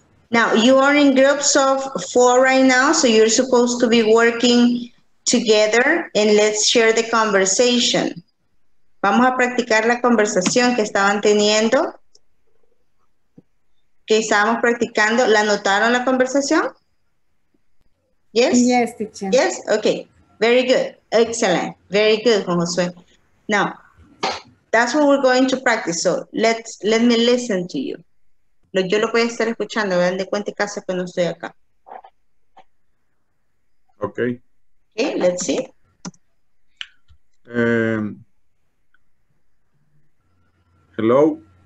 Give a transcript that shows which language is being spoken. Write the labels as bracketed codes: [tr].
[en] Now, you are in groups of four right now, so you're supposed to be working together and let's share the conversation. [es] Vamos a practicar la conversación que estaban teniendo. Que estábamos practicando. ¿La notaron la conversación? Yes? [en] Yes, teacher. Yes? Okay. Very good. Excellent. Very good, Juan Josué. Now, that's what we're going to practice, so let me listen to you. [es] Yo lo voy a estar escuchando, vean de cuenta casa que no estoy acá. [en] Ok. Ok, let's see. Hello.